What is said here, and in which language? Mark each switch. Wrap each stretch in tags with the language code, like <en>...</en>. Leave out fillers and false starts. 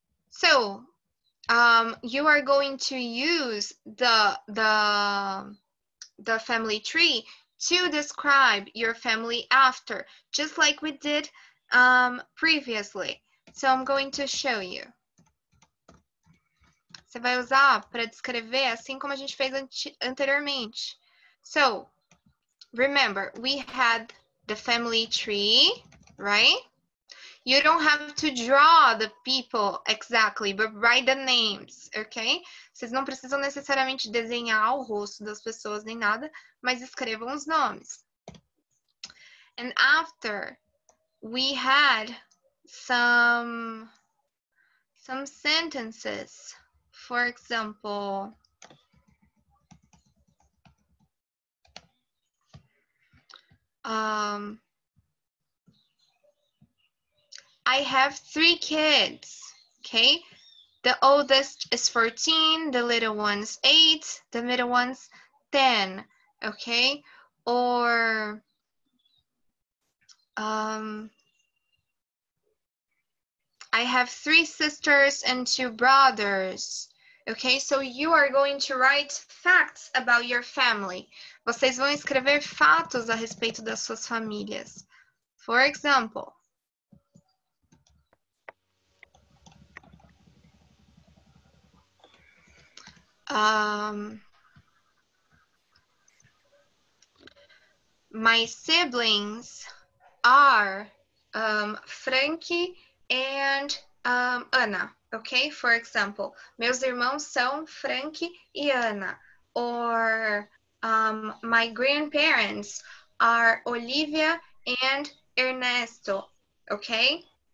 <en>So, you are going to use the family tree to describe your family after, just like we did previously. So I'm going to show you.</en> <pt>Você vai usar para descrever assim como a gente fez anteriormente.</pt> <en>So, remember, we had the family tree, right? You don't have to draw the people exactly, but write the names, okay?</en> <pt>Vocês não precisam necessariamente desenhar o rosto das pessoas nem nada, mas escrevam os nomes.</pt> <en>And after, we had some sentences. For example, I have 3 kids, okay? The oldest is 14, the little one's 8, the middle one's 10, okay? Or, I have 3 sisters and 2 brothers, okay? So you are going to write facts about your family.</en> <pt>Vocês vão escrever fatos a respeito das suas famílias.</pt> <en>For example, my siblings are Frankie and Anna, okay? For example,</en> <pt>meus irmãos são Frankie e Anna.</pt> <en>Or my grandparents are Olivia and Ernesto, okay?</en>